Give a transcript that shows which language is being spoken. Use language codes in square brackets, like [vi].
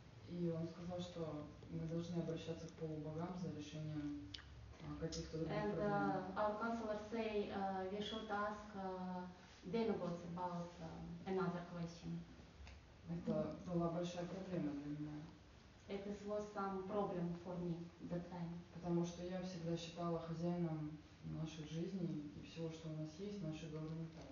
[ru] И он сказал, что мы должны обращаться к полубогам за решением каких-то других and, проблем. [en] And our counselor say we should ask demigods about another question. [ru] Это была большая проблема для меня. [en] It was some problem for me that time. [ru] Потому что я всегда считала хозяином нашей жизни и всего, что у нас есть, нашей головы.